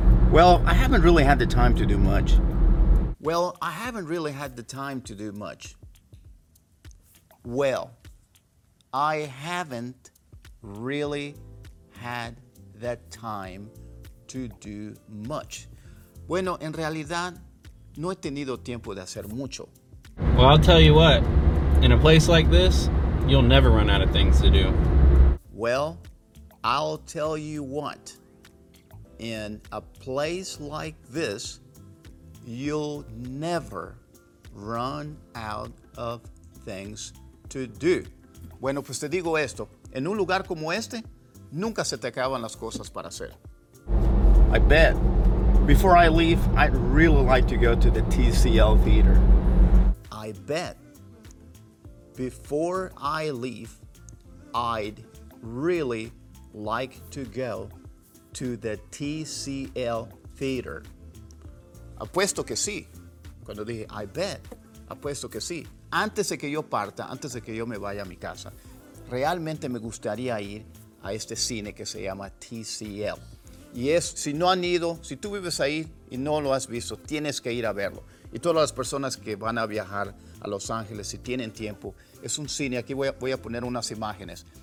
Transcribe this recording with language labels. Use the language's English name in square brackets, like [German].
[English] Well, I haven't really had the time to do much. Well, I haven't really had the time to do much. Well, I haven't really had the time to do much. [Spanish] Bueno, en realidad, no he tenido tiempo de hacer mucho. [English] Well, I'll tell you what. In a place like this, you'll never run out of things to do. Well, I'll tell you what. In a place like this, you'll never run out of things to do. [Spanish] Bueno, pues te digo esto. En un lugar como este, nunca se te acaban las cosas para hacer. [English] I bet. Before I leave, I'd really like to go to the TCL Theater. I bet. Before I leave, I'd really like to go to the TCL Theater. [Spanish] Apuesto que sí. Cuando dije, [English] I bet. [Spanish] Apuesto que sí. Antes de que yo parta, antes de que yo me vaya a mi casa, realmente me gustaría ir a este cine que se llama TCL. Y es, si no han ido, si tú vives ahí y no lo has visto, tienes que ir a verlo. Y todas las personas que van a viajar a Los Ángeles, si tienen tiempo, es un cine, aquí voy a poner unas imágenes.